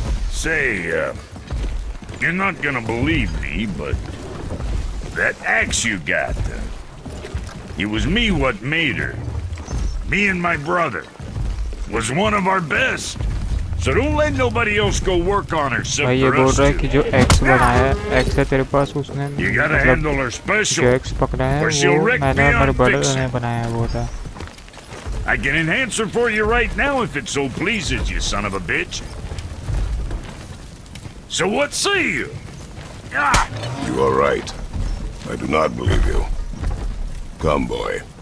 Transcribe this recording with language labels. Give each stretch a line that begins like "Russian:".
English: Say, you're not gonna believe me, but that axe you got, it was me what made her. Me and my brother. Was one of our best. So don't let nobody else go work on her.
Hindi: Except भाई ये बोल रहा है कि जो x बनाया है, x है तेरे पास उसने
English: you gotta
Hindi: मतलब
English: handle her special,
Hindi: जो एक्स पकड़ा है वो मैंने और मेरे ब्रदर ने बनाया है वो था.
English: I can enhance her for you right now if it so pleases you, son of a bitch. So what say you? You are right. I do not believe you. Come, boy.